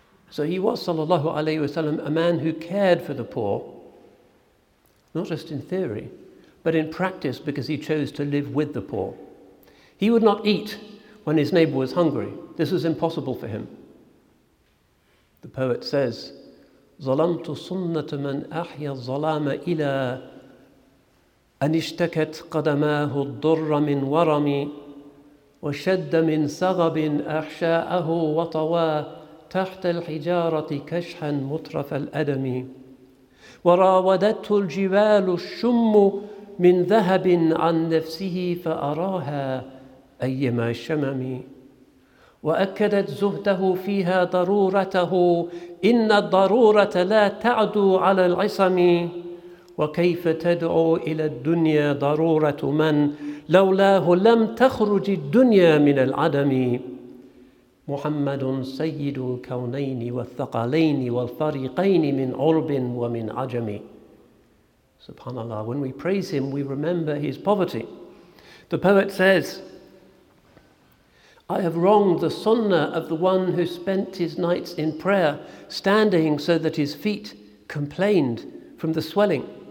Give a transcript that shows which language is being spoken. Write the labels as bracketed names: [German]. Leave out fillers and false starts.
[English] So he was, sallallahu alayhi wasallam, a man who cared for the poor, not just in theory, but in practice, because he chose to live with the poor. He would not eat when his neighbor was hungry. This was impossible for him. The poet says, [Arabic] "Zalamtu sunnata man ahya zalama ila an ishtakat qadamahu ad-durra min warami وشد من سغب أحشاءه وطوى تحت الحجارة كشحا مطرف الأدم وراودته الجبال الشم من ذهب عن نفسه فأراها أيما شمم وأكدت زهده فيها ضرورته إن الضرورة لا تعدو على العصم وكيف تدعو إلى الدنيا ضرورة من لولاه لم تخرج الدنيا من العدم محمد سيد الكونين والثقلين والفريقين من عرب ومن عجم. [English] Subhanallah, when we praise him, we remember his poverty. The poet says, "I have wronged the sunnah of the one who spent his nights in prayer, standing so that his feet complained from the swelling.